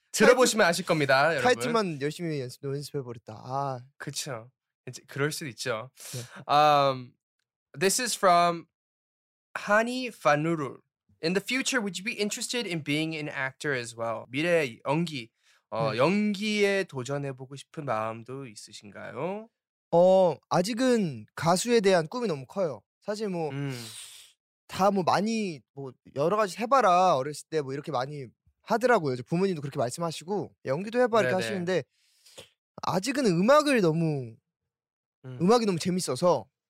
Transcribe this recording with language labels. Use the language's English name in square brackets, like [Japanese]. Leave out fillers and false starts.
[Korean] 들어보시면 아실 겁니다, 여러분. 타이틀만 열심히 연습해버렸다. 아. 그쵸. 이제 그럴 수도 있죠. 네. [English] This is from Hani Fanurul. In the future, would you be interested in being an actor as well? [Korean] 미래 연기. 연기에 도전해보고 싶은 마음도 있으신가요? 아직은 가수에 대한 꿈이 너무 커요. 사실 뭐... 다 뭐 많이 뭐 여러 가지 해봐라 어렸을 때 뭐 이렇게 많이 하더라고요. 부모님도 그렇게 말씀하시고 연기도 해봐 이렇게 네네. 하시는데 아직은 음악을 너무 음악이 너무 재밌어서